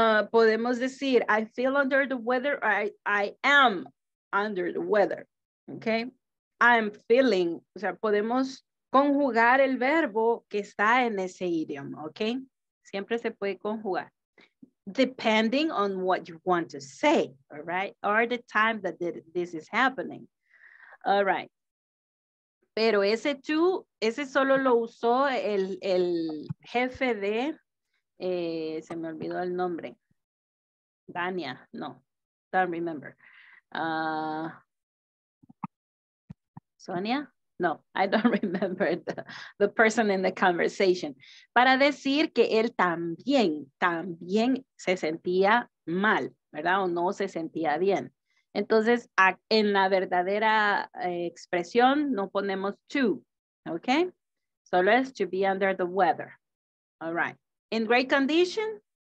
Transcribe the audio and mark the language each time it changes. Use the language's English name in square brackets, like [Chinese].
[Spanish] Podemos decir, [English] I feel under the weather, I am under the weather, ¿ok? I am feeling, [Spanish] o sea, podemos conjugar el verbo que está en ese idioma, ¿ok? Siempre se puede conjugar. [English] depending on what you want to say, all right? Or the time that this is happening. All right. [Spanish] Pero ese tú, ese solo lo usó el jefe de, se me olvidó el nombre. [English] Dania, no, don't remember. Sonia? No, I don't remember the person in the conversation. [Spanish] Para decir que él también se sentía mal, ¿verdad? O no se sentía bien. Entonces, en la verdadera expresión no ponemos to, okay? Solo es [English] to be under the weather. All right. In great condition?